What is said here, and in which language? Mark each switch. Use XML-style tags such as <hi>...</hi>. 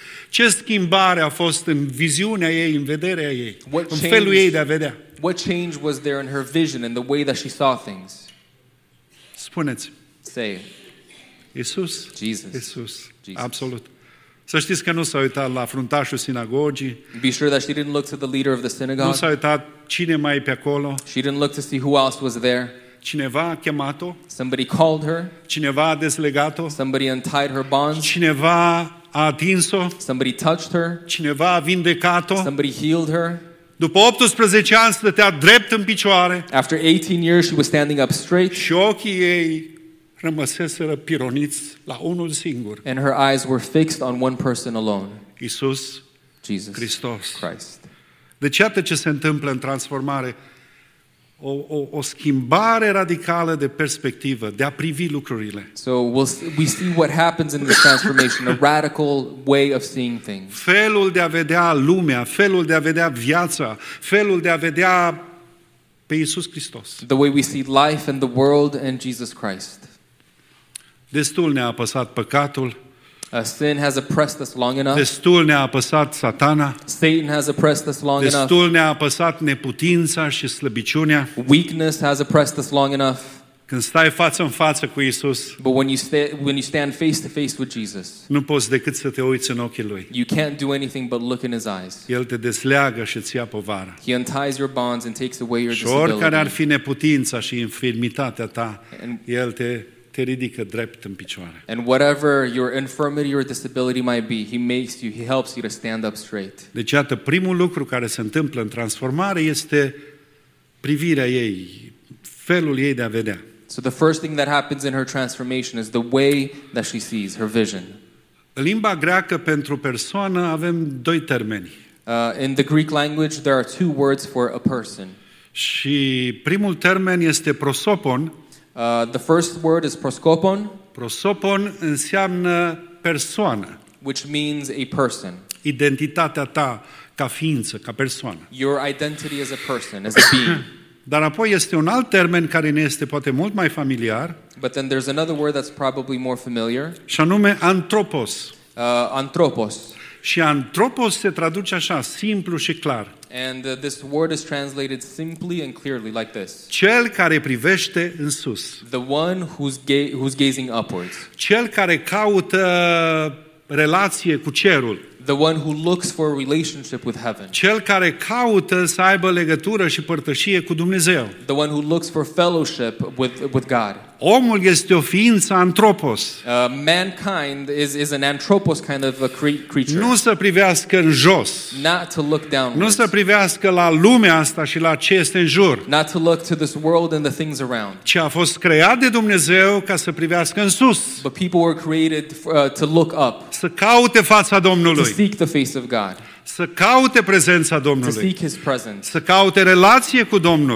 <ro>Ce schimbare a fost în viziunea ei, în vederea ei, what în felul</ro> <en>change,</en> <ro>ei de a vedea?</ro> <en>What change was there in her vision, in the way that she saw things?</en> <ro>Spuneți.</ro> <en>Say.</en> <ro>Iisus.</ro> <en>Jesus.</en> <ro>Jesus. Absolut. Să știți că nu s-a uitat la fruntașul sinagogii.</ro> <en>Be sure that she didn't look to the leader of the synagogue.</en> <ro>Nu s-a uitat cine mai e pe acolo.</ro> <en>She didn't look to see who else was there.</en> <ro>Cineva a chemat-o.</ro> <en>Somebody called her.</en> <ro>Cineva a dezlegat-o.</ro> <en>Somebody untied her bonds.</en> <ro>Cineva a atins-o.</ro> <en>Somebody touched her.</en> <ro>Cineva a vindecat-o.</ro> <en>Somebody healed her.</en> <ro>După 18 ani stătea drept în picioare.</ro> <en>After 18 years she was standing up straight.</en> <ro>Și ochii ei rămăseseră pironiți la unul singur.</ro> <en>And her eyes were fixed on one person alone.</en> <ro>Iisus.</ro> <en>Jesus.</en> <ro>Hristos.</ro> <en>Christ.</en> <ro>Deci iată ce se întâmplă în transformare. o schimbare radicală de perspectivă, de a privi lucrurile.</ro> <en>So we see what happens in this transformation, a radical way of seeing things.</en> <ro>Felul de a vedea lumea, felul de a vedea viața, felul de a vedea pe Iisus Hristos.</ro> <en>The way we see life and the world and Jesus Christ.</en> <ro>Destul ne-a apăsat păcatul.</ro> <en>Sin has oppressed us long enough.</en> <ro>Destul ne-a apăsat Satana.</ro> <en>Satan has oppressed us long enough.</en> <ro>Destul ne-a apăsat neputința și slăbiciunea.</ro> <en>Weakness has oppressed us long enough.</en> <ro>Când stai față în față cu Isus,</ro> <en>but when you stand face to face with Jesus,</en> <ro>nu poți decât să te uiți în ochii lui.</ro> <en>You can't do anything but look in his eyes.</en> <ro>El te desleagă și ți-a povara.</ro> <en>He unties your bonds and takes away your</en> <ro>disability. Și oricare ar fi neputința și infirmitatea ta, el te ridică drept în picioare.</ro> <en>And whatever your infirmity or disability might be, he helps you to stand up straight.</en> <ro>Deci, iată, primul lucru care se întâmplă în transformare este privirea ei, felul ei de a vedea.</ro> <en>So the first thing that happens in her transformation is the way that she sees, her vision.</en> <ro>În limba greacă pentru persoană avem doi termeni.</ro> <en>In the Greek language there are two words for a person.</en> <ro>Și primul termen este prosopon.</ro> <en>The first word is proskopon.</en> <ro>Prosopon înseamnă persoană.</ro> <en>Which means a person.</en> <ro>Identitatea ta ca ființă, ca persoană.</ro> <en>Your identity as a person, as a being.</en> <ro>Dar apoi este un alt termen care ne este poate mult mai familiar.</ro> <en>But then there's another word that's probably more familiar.</en> <ro>Și anume antropos.</ro> <en>Antropos.</en> <ro>Și antropos se traduce așa, simplu și clar.</ro> <en>And this word is translated simply and clearly like this.</en> <ro>Cel care privește în sus.</ro> <en>The one who's gazing upwards.</en> <ro>Cel care caută relație cu cerul.</ro> <en>The one who looks for a relationship with heaven.</en> <ro>Cel care caută să aibă legătură și părtășie cu Dumnezeu.</ro> <en>The one who looks for fellowship with God.</en> <ro>Omul este o ființă antropos.</ro> <en>Mankind is an anthropos kind of a creature.</en> <ro>Nu să privească în jos.</ro> <en>Not to look downwards.</en> <ro>Nu să privească la lumea asta și la ce este în jur.</ro> <en>Not to look to this world and the things around.</en> <ro>Ce a fost creat de Dumnezeu ca să privească în sus.</ro> <en>But people were created to look up.</en> <ro>Să caute fața Domnului.</ro> <en>To seek the face of God.</en> <ro>Să caute prezența Domnului.</ro> <en>To seek his presence.</en> <ro>Să caute relație cu Domnul.</ro>